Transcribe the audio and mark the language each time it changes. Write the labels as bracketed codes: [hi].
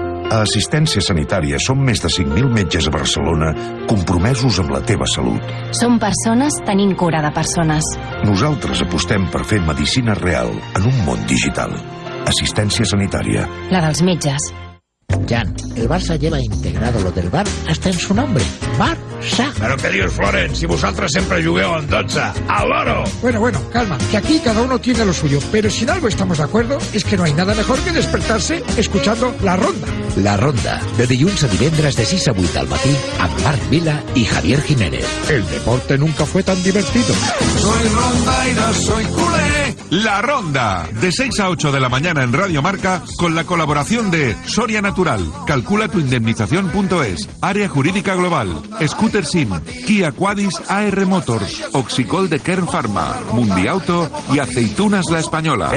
[ca] A Assistència Sanitària som més de 5.000 metges a Barcelona compromesos amb la teva salut. Som persones tenint cura de persones. Nosaltres apostem per fer medicina real en un món digital. Assistència Sanitària. La dels metges. [es] Jan, el Barça lleva integrado lo del bar hasta en su nombre. Barça. [ca] Però què dius, Florent? Si vosaltres sempre jugueu en 12. [es] Al oro. Bueno, bueno, calma. Que aquí cada uno tiene lo suyo. Pero si en algo estamos de acuerdo es que no hay nada mejor que despertarse escuchando La Ronda. [ca] La Ronda, de dilluns a divendres de 6 a 8 del matí, amb Marc Vila i Javier Jiménez. [es] El deporte nunca fue tan divertido. Soy ronda y no soy culé. La Ronda, de 6 a 8 de la mañana en Radio Marca, con la colaboración de Soria Natural, calculatuindemnización.es, Área Jurídica Global, Scooter Sim, Kia Quadis AR Motors, Oxicol de Kern Pharma, Mundiauto y Aceitunas La Española.